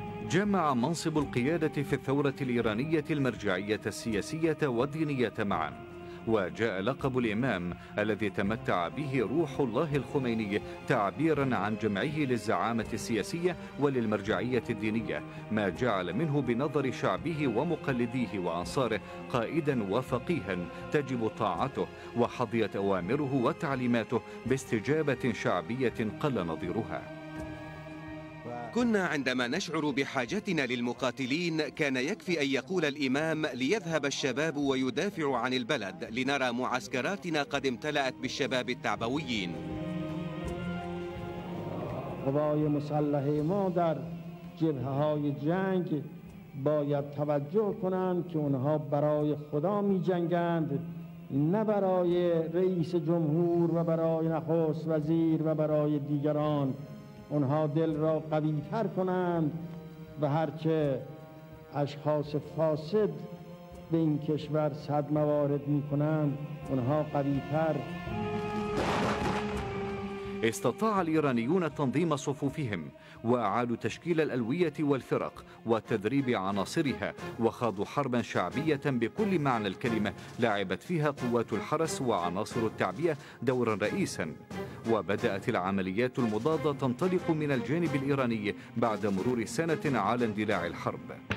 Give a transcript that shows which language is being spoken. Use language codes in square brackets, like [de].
[ar] جمع منصب القيادة في الثورة الإيرانية المرجعية السياسية والدينية معا، وجاء لقب الإمام الذي تمتع به روح الله الخميني تعبيرا عن جمعه للزعامة السياسية وللمرجعية الدينية، ما جعل منه بنظر شعبه ومقلديه وأنصاره قائدا وفقيها تجب طاعته وحظيت أوامره وتعليماته باستجابة شعبية قل نظيرها. كنا عندما نشعر بحاجتنا للمقاتلين كان يكفي أن يقول الإمام ليذهب الشباب ويدافعوا عن البلد، لنرى معسكراتنا قد امتلأت بالشباب التعبويين. [fa] قوای مسلح ما در جبهه های جنگ باید توجه کنند که اونها برای خدا می جنگند، نه برای رئیس جمهور و برای نخست وزیر و برای دیگران. اونها دل را قوی تر کنند و هرچه اشخاص فاسد به این کشور صدمه وارد می کنند اونها قوی تر. [ar] استطاع الإيرانيون تنظيم صفوفهم وأعادوا تشكيل الألوية والفرق وتدريب عناصرها، وخاضوا حربا شعبية بكل معنى الكلمة لعبت فيها قوات الحرس وعناصر التعبئة دورا رئيسا، وبدأت العمليات المضادة تنطلق من الجانب الإيراني بعد مرور سنة على اندلاع الحرب.